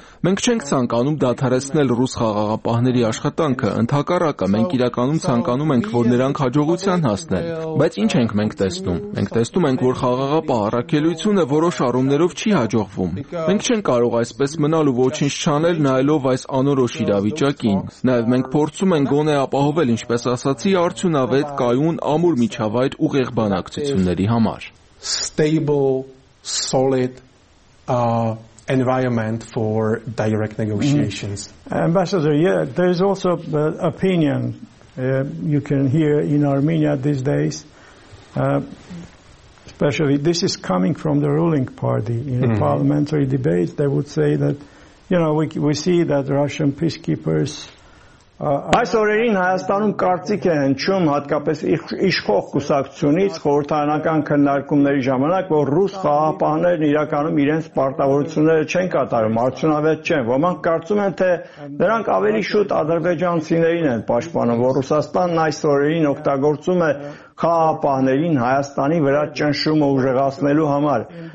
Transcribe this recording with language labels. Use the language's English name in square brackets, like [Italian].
[Armenian] Մենք չենք ցանկանում դադարեցնել ռուս խաղաղապահների աշխատանքը, ընդհակառակը մենք իրականում ցանկանում ենք, որ նրանք հաջողության հասնեն։ Բայց ինչ ենք մենք տեսնում։ Մենք տեսնում ենք, որ խաղաղապահ առաքելությունը որոշ առումներով չի հաջողվում։ Մենք չենք կարող այսպես մնալ ու ոչինչ չանել, նայելով այս անորոշ իրավիճակին։ Նաև մենք փորձում ենք գոնե ապահովել, ինչպես ասացի, արդյունավետ կայուն ամուր միջավայր ուղիղ բանակցությունների համար։ [English] Stable, solid environment for direct negotiations. Ambassador, yeah, there is also the opinion you can hear in Armenia these days, especially this is coming from the ruling party in the parliamentary debates. They would say that, you know, we see that Russian peacekeepers. [Armenian] Այս օրերին Հայաստանում կարծիք է հնչում հատկապես իշխող կուսակցությունից խորհրդարանական քննարկումների ժամանակ, որ ռուս խաղապահներն իրականում իրենց պարտավորությունները չեն կատարում, արդյունավետ չեն։ Ոմանք կարծում են, թե նրանք ավելի շուտ ադրբեջանցիներին են պաշտպանում, որ Ռուսաստանն այս օրերին օգտագործում է խաղապահներին Հայաստանի վրա ճնշումը ուժեղացնելու համար։